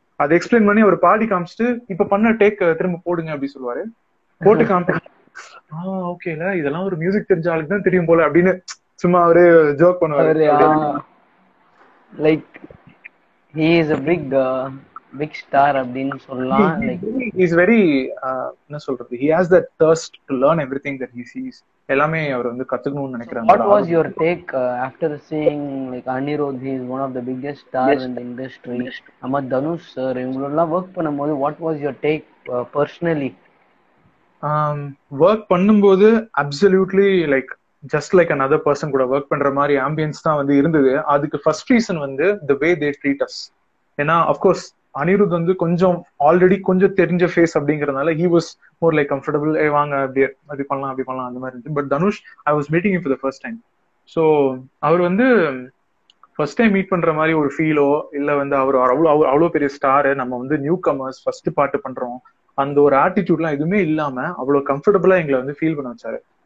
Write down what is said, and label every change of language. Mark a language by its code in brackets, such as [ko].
[ta] அதை எக்ஸ்பிளைன் பண்ணி அவர் பாடி காமிச்சிட்டு இப்ப பண்ண டேக் திரும்ப போடுங்க அப்படின்னு சொல்லுவாரு. போட்டு காமிச்சு ஓகேல இதெல்லாம் ஒரு மியூசிக் தெரிஞ்ச ஆளுக்கு தான் தெரியும் போல அப்படின்னு சும்மா அவரு ஜோக் பண்ணுவாரு. [en] Like he is a big big star [ta] அப்படினு சொல்லலாம். [en] Like he is very [ta] என்ன சொல்றது, [en] he has that thirst to learn everything that he sees. [ta] எல்லாமே அவர் வந்து கத்துக்கணும்னு நினைக்கிறாங்க. [en] What was your take after seeing like Anirudh, he is one of the biggest stars in the industry, amma Dhanush sir [ta] இவங்களெல்லாம் work பண்ணும்போது [en] what was your take personally? [ta] Work பண்ணும்போது [en] absolutely like just like another person [ta] கூட work பண்ற மாதிரி ambience தான் வந்து இருந்தது. அதுக்கு ஃபர்ஸ்ட் ரீசன் வந்து [en] the way they treat us. [ta] ஏன்னா அப்கோர்ஸ் அனிருத் வந்து கொஞ்சம் ஆல்ரெடி கொஞ்சம் தெரிஞ்ச ஃபேஸ் அப்படிங்கறதுனால [en] he was more like comfortable, [ta] ஏ வாங்க அப்படி அப்படி பண்ணலாம் அப்படி பண்ணலாம் அந்த மாதிரி இருந்துச்சு. But Dhanush [en] I was meeting for the first time, [ta] so அவர் வந்து ஃபர்ஸ்ட் டைம் மீட் பண்ற மாதிரி ஒரு ஃபீலோ இல்ல வந்து அவர் அவ்வளோ அவ்வளோ பெரிய ஸ்டாரு நம்ம வந்து நியூ கமர்ஸ் ஃபர்ஸ்ட் பாட்டு பண்றோம் அந்த ஒரு ஆட்டிடியூட்லாம் எதுவுமே இல்லாம அவ்வளோ கம்ஃபர்டபுளா எங்களை வந்து ஃபீல் பண்ண வச்சாரு.